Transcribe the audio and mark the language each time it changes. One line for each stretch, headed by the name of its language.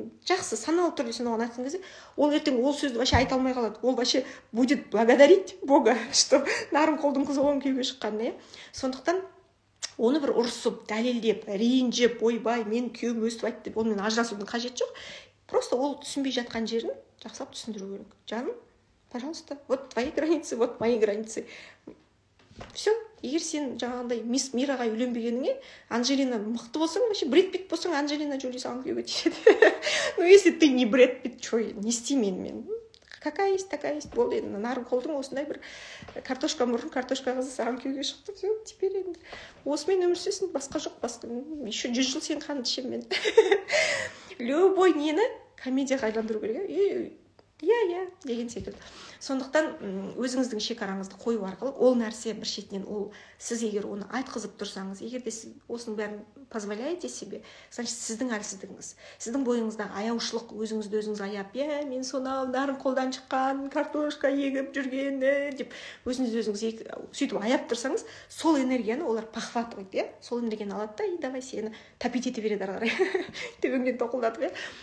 Kazakh: Жақсы саналы түрде сен оған айтқан кезде, ол ертең ол сөзді вообще айта алмай қалады, ол
Russian: вообще будет благодарить бога, что
Kazakh: нарынқолдың қызы оның күйеуге шыққанына, иә. Сондықтан оны бір ұрсып дәлелдеп ренжіп, ойбай мен күйеуім өстіп айтты деп онымен ажырасудың қажеті жоқ, просто ол түсінбей жатқан жерін жақсылап түсіндіру керек.
Russian: Жаным, пожалуйста, вот твои границы, вот мои границы.
Kazakh: Все, егер сен жаңағындай мисс Мираға үйленбегеніңе, Анжелина мықты болсаң, вообще Брэд Питт болсаң, Анжелина Джоли саған күйеуге тиеді.
Russian: Ну если ты не Брэд Питт, что
Kazakh: не істеймін мен.
Russian: Какая есть, такая есть,
Kazakh: болды енді. Нарынқолдың осындай бір картошка мұрын, картошка қызы саған күйеуге шықты.
Russian: Все, теперь
Kazakh: енді осымен өмір сүресің, басқа жоқ, басқа. Еще 100 жыл сен қанды ішемін мен. Любой нені комедияға айландыру керек, иә, иә деген секілді. Сондықтан өзіңіздің шекараңызды қою арқылы ол нәрсе бір шетінен, ол сіз егер оны айтқызып тұрсаңыз, егер де сіз осының бәрін
Russian: позволяете себе,
Kazakh: значит сіздің әлсіздігіңіз, сіздің бойыңызда аяушылық, өзіңізді өзіңіз аяп, иә мен сонау нарынқолдан шыққан картошка егіп жүрген деп өзіңізді өзіңіз сөйтіп аяп тұрсаңыз, сол энергияны олар похватывайды, иә, сол энергияны алады да, и давай сені тапить ете береді ары қарай, төбеңнен тоқылдатып, иә.